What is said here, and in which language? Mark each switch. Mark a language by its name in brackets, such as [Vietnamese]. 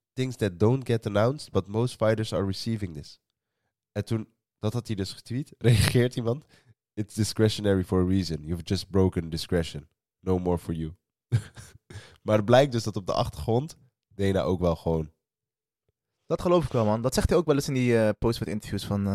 [English] Things that don't get announced, but most fighters are receiving this. [Dutch] En toen, dat had hij dus getweet, reageert iemand... [English] It's discretionary for a reason. You've just broken discretion. No more for you. [Dutch] Maar het blijkt dus dat op de achtergrond Dana ook wel gewoon... Dat geloof ik wel, man. Dat zegt hij ook wel eens in die post-fight interviews.